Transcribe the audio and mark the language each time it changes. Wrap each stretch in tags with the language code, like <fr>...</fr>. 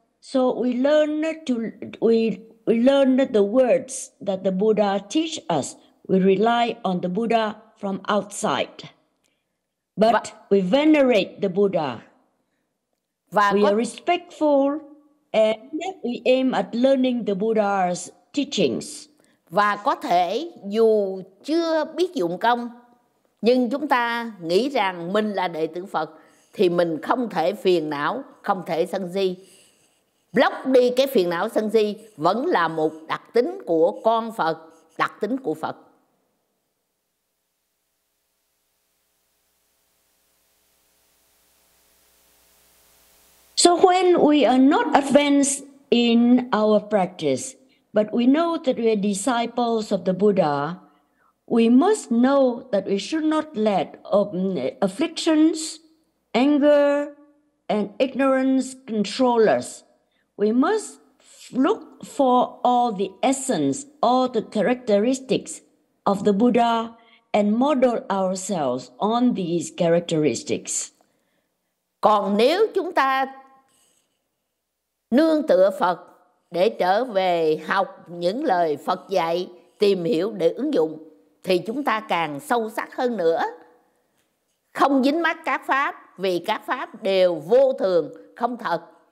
<en>So we learn the words that the Buddha teach us. We rely on the Buddha from outside, but we venerate the Buddha. We are respectful and we aim at learning the Buddha's teachings.</en> <vi>Và có thể dù chưa biết dụng công, nhưng chúng ta nghĩ rằng mình là đệ tử Phật, thì mình không thể phiền não, không thể sân si. Block đi cái phiền não sân si vẫn là một đặc tính của con Phật, đặc tính của Phật.</vi> <en>So when we are not advanced in our practice, but we know that we are disciples of the Buddha, we must know that we should not let afflictions, anger, and ignorance control us. We must look for all the essence, all the characteristics of the Buddha and model ourselves on these characteristics.</en> <vi>Còn nếu chúng ta nương tựa Phật để trở về học những lời Phật dạy, tìm hiểu để ứng dụng, thì chúng ta càng sâu sắc hơn nữa. Không dính mắc các pháp, vì các pháp đều vô thường, không thật.</vi>